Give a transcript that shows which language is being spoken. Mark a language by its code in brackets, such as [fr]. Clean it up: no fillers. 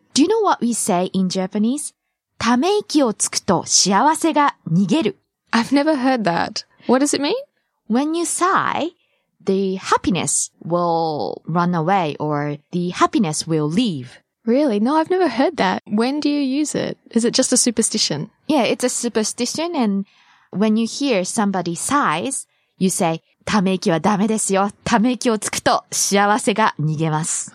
[en] Do you know what we say in Japanese? [ja] ため息をつくと幸せが逃げる。 [en] I've never heard that. What does it mean? When you sigh, the happiness will run away or the happiness will leave. Really? No, I've never heard that. When do you use it? Is it just a superstition? Yeah, it's a superstition. And when you hear somebody sighs, you say, [ja] ため息はダメですよ。ため息をつくと幸せが逃げます。